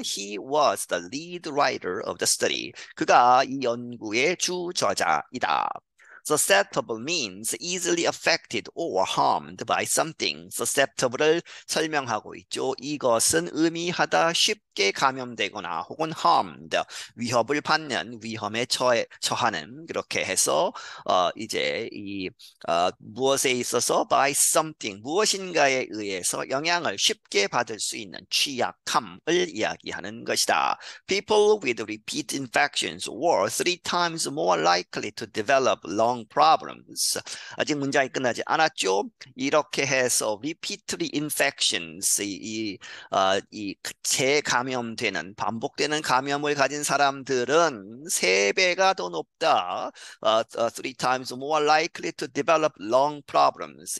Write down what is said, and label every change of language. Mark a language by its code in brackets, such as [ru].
[en] He was the lead writer of the study. [ko] 그가 이 연구의 주저자이다. [en] Susceptible means easily affected or harmed by something. [ko] Susceptible을 설명하고 있죠. 이것은 의미하다 쉽게 쉽게 감염되거나 혹은 harmed, 위협을 받는, 위험에 처하는, 그렇게 해서, 이제, 이, 무엇에 있어서 [en] by something, [ko] 무엇인가에 의해서 영향을 쉽게 받을 수 있는 취약함을 이야기하는 것이다. [en] People with repeat infections were three times more likely to develop lung problems. [ko] 아직 문장이 끝나지 않았죠? 이렇게 해서 [en] repeatedly infections, [ko] 이 재감염되는, 반복되는 감염을 가진 사람들은 3배가 더 높다. [en] Three times more likely to develop lung problems.